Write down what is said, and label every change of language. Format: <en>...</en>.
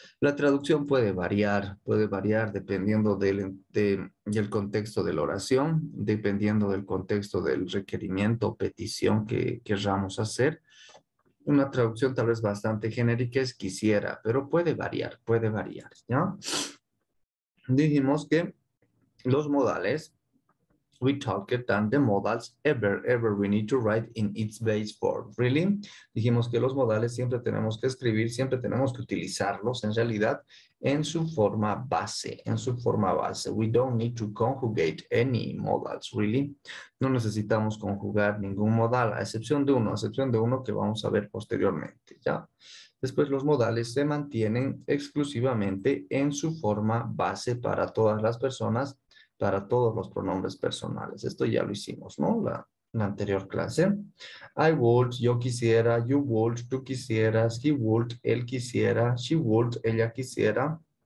<es>La traducción puede variar dependiendo del contexto de la oración, dependiendo del contexto del requerimiento o petición que queramos hacer. Una traducción tal vez bastante genérica es quisiera, pero puede variar, ¿ya? Dijimos que los modales,</es> <en>we talked and the modals ever we need to write in its base form. Really?</en> <es>Dijimos que los modales siempre tenemos que escribir, siempre tenemos que utilizarlos en realidad en su forma base.</es> <en>We don't need to conjugate any modals, really.</en> <es>No necesitamos conjugar ningún modal, a excepción de uno que vamos a ver posteriormente, ¿ya? Después los modales se mantienen exclusivamente en su forma base para todas las personas, para todos los pronombres personales. Esto ya lo hicimos, ¿no? La anterior clase.</es> <en>I would,</en> <es>yo quisiera,</es> <en>you would,</en> <es>tú quisieras,</es> <en>he would,</en> <es>él quisiera,</es> <en>she would,</en> <es>ella quisiera.</es>